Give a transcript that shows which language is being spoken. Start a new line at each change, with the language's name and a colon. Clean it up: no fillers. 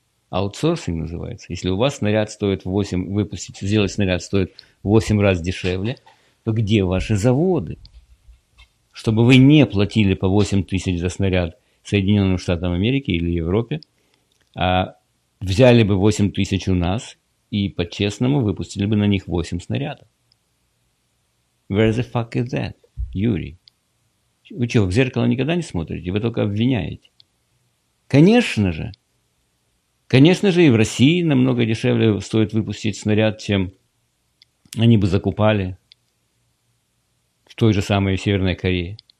Russian: Аутсорсинг называется. Если у вас снаряд стоит 8, выпустить, сделать снаряд стоит 8 раз дешевле, то где ваши заводы? Чтобы вы не платили по 8 тысяч за снаряд Соединенным Штатам Америки или Европе, а взяли бы 8 тысяч у нас и по-честному выпустили бы на них 8 снарядов.
English: Where the fuck is that, Юрий?
Russian: Вы что, в зеркало никогда не смотрите? Вы только обвиняете. Конечно же, и в России намного дешевле стоит выпустить снаряд, чем они бы закупали в той же самой Северной Корее.